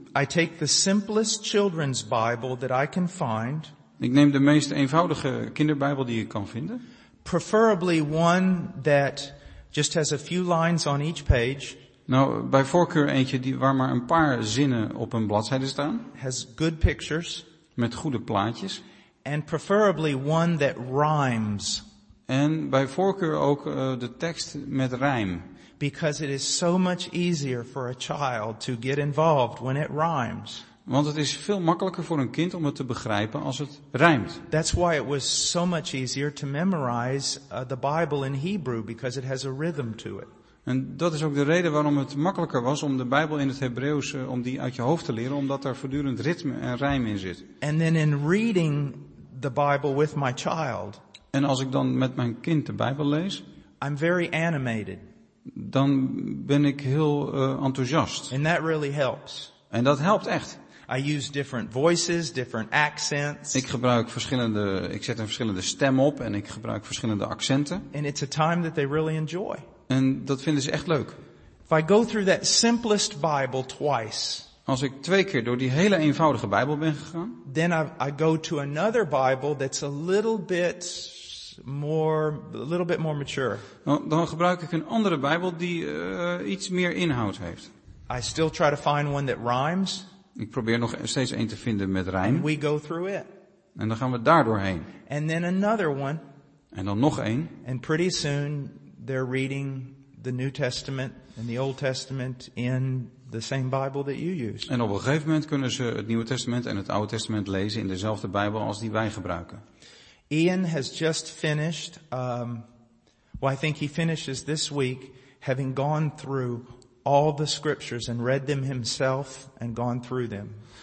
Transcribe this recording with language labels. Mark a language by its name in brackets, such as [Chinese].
[English] I take the simplest children's Bible that I can find. [Dutch] Ik neem de meest eenvoudige kinderbijbel die ik kan vinden. [English] Preferably one that just has a few lines on each page. [Dutch] Nou, bij voorkeur eentje waar maar een paar zinnen op een bladzijde staan. [English] Has good pictures. [Dutch] Met goede plaatjes. [English] And preferably one that rhymes. [Dutch] En bij voorkeur ook de tekst met rijm. [English] Because it is so much easier for a child to get involved when it rhymes. [Dutch] Want het is veel makkelijker voor een kind om het te begrijpen als het rijmt. [English] That's why it was so much easier to memorize the Bible in Hebrew, because it has a rhythm to it. [Dutch] En dat is ook de reden waarom het makkelijker was om de Bijbel in het Hebreeuws, om die uit je hoofd te leren, omdat daar voortdurend ritme en rijm in zit. [English] And then in reading the Bible with my child, [Dutch] en als ik dan met mijn kind de Bijbel lees, [English] I'm very animated. [Dutch] Dan ben ik heel enthousiast. [English] And that really helps. [Dutch] En dat helpt echt. [English] I use different voices, different accents. [Dutch] Ik zet een verschillende stem op en ik gebruik verschillende accenten. [English] And it's a time that they really enjoy. [Dutch] En dat vinden ze echt leuk. [English] If I go through that simplest Bible twice, [Dutch] als ik twee keer door die hele eenvoudige Bijbel ben gegaan, [English] then I go to another Bible that's a little bit more, a little bit more mature. [Dutch] Dan gebruik ik een andere Bijbel die iets meer inhoud heeft. [English] I still try to find one that rhymes. [Dutch] Ik probeer nog steeds een te vinden met rijm. [English] And we go through it. [Dutch] En dan gaan we daar doorheen. [English] And then another one. [Dutch] En dan nog één. [English] And pretty soon they're reading the New Testament and the Old Testament in the same Bible that you use. [Dutch] En op een gegeven moment kunnen ze het Nieuwe Testament en het Oude Testament lezen in dezelfde Bijbel als die wij gebruiken. [English] Ian has just finished, well, I think he finishes this week, having gone through all the scriptures and read them himself and gone through them.